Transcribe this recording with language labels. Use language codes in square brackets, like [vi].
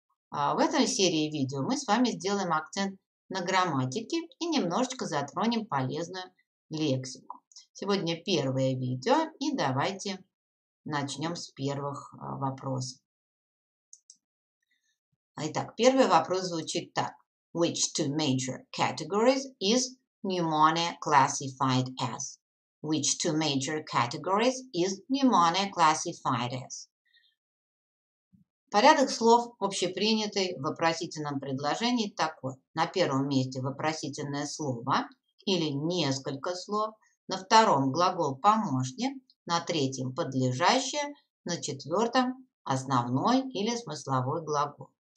[ru] В этой серии видео мы с вами сделаем акцент на грамматике и немножечко затронем полезную лексику. Сегодня первое видео, и давайте начнем с первых вопросов. Итак, первый вопрос звучит так. [en] Which two major categories is pneumonia classified as? Which two major categories is pneumonia classified as? [ru] Порядок слов, общепринятый в вопросительном предложении, такой. На первом месте вопросительное слово или несколько слов. На втором глагол помощник. На третьем подлежащее. На четвертом основной или смысловой глагол.